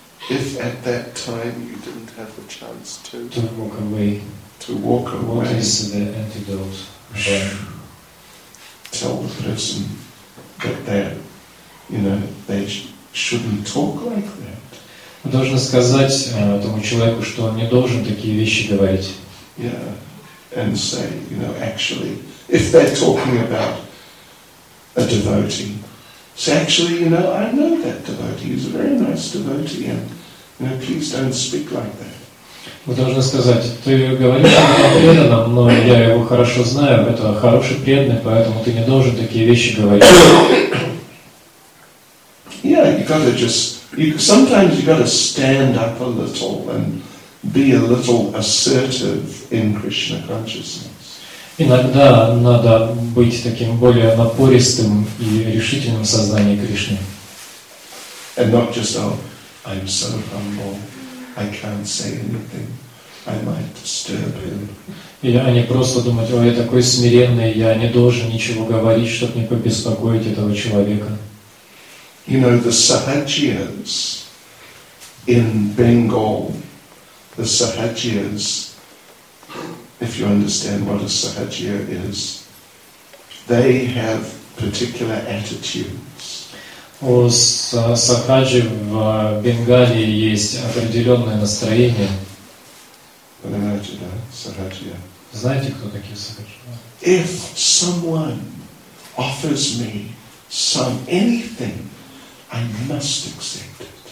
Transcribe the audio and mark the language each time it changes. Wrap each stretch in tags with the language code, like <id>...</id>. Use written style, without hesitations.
<en>If at that time you didn't have a chance to walk away, to walk away, what is the antidote? Tell the person that they shouldn't talk like that.</en> <ru>Вы должны сказать тому человеку, что он не должен такие вещи говорить.</ru> <en>Yeah, and say, actually, if they're talking about a devotee, say, actually, I know that devotee. He's a very nice devotee, and please don't speak like that.</en> <ru>Вы должны сказать, ты говоришь о преданном, но я его хорошо знаю, это хороший преданный, поэтому ты не должен такие вещи говорить.</ru> <en>Yeah, sometimes you gotta stand up a little and be a little assertive in Krishna consciousness.</en> <ru>Иногда надо быть таким более напористым и решительным в сознании Кришны.</ru> <en>And not just, I'm so humble, I can't say anything, I might disturb him.</en> <ru>И не просто думать, я такой смиренный, я не должен ничего говорить, чтобы не побеспокоить этого человека.</ru> <en>The Sahajiyas in Bengal, the Sahajiyas, if you understand what a Sahajiya is, they have particular attitudes.</en> <ru>У Сахаджи в Бенгалии есть определенное настроение. Понимаете, да, Сахаджия? Знаете, кто такие Сахаджи?</ru> <en>If someone offers me anything, I must accept it.</en>